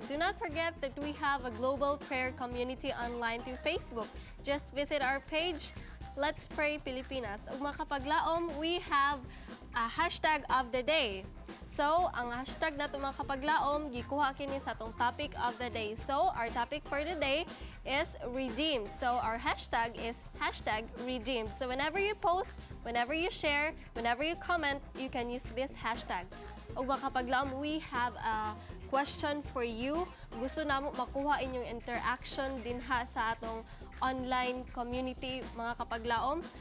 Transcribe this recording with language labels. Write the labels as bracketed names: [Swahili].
[English] Do not forget that we have a global prayer community online through Facebook. Just visit our page, Let's Pray Pilipinas. [Cebuano] Ug makapaglaom, [English] we have a hashtag of the day. [Cebuano] So, ang hashtag na ito makapaglaom, gikuha kini sa itong [English] topic of the day. So, our topic for the day is redeemed. So, our hashtag is hashtag redeemed. So, whenever you post, whenever you share, whenever you comment, you can use this hashtag. O makapaglaom, we have a question for you. [Cebuano] Gusto namo makuha inyong interaction din ha sa atong online community, mga kapaglaom.